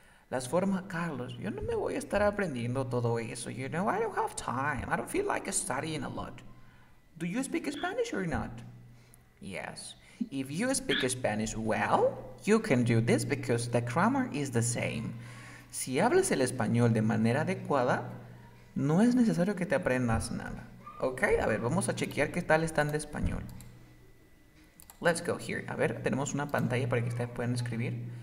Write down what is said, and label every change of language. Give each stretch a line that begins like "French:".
Spanish: Las formas, Carlos, yo no me voy a estar aprendiendo todo eso.
English: You know, I don't have time. I don't feel like studying a lot. Do you speak Spanish or not? Yes. If you speak Spanish well, you can do this because the grammar is the same.
Spanish: Si hablas el español de manera adecuada, no es necesario que te aprendas nada. Ok, a ver, vamos a chequear qué tal están de español.
English: Let's go here.
Spanish: A ver, tenemos una pantalla para que ustedes puedan escribir.